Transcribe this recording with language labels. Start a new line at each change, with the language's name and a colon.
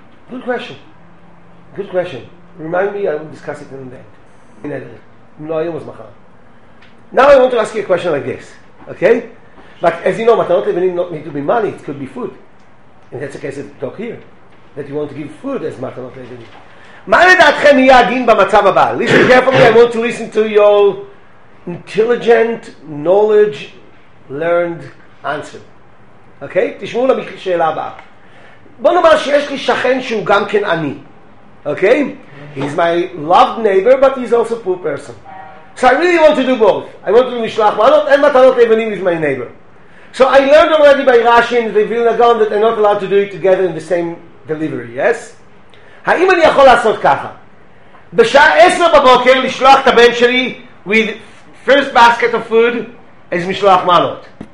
English: Good question. Good question. Remind me, I will discuss it in a bit. In a bit.
Hebrew: לא היום, אז מחר.
English: Now I want to ask you a question like this, okay? But as you know, matanot levanim not need to be money, it could be food. And that's the case of the talk here, that you want to give food as matanot levanim.
Hebrew: מה לדעתכם יהיה הדין במצב הבא?
English: Listen carefully, I want to listen to your intelligent, knowledge, learned answer. Okay?
Hebrew: תשמעו לשאלה הבאה. בוא נאמר שיש לי שכן שהוא גם כן אני.
English: Okay? He's my loved neighbor, but he's also a poor person. So I really want to do both. I want to do mishlach manot and matanot levanim with my neighbor. So I learned already by Rashi and the Vilna Gaon that I'm not allowed to do it together in the same delivery, yes?
Hebrew: האם אני יכול לעשות ככה? בשעה 10 בבוקר לשלוח את הבן שלי
English: with first basket of food as mishlach manot.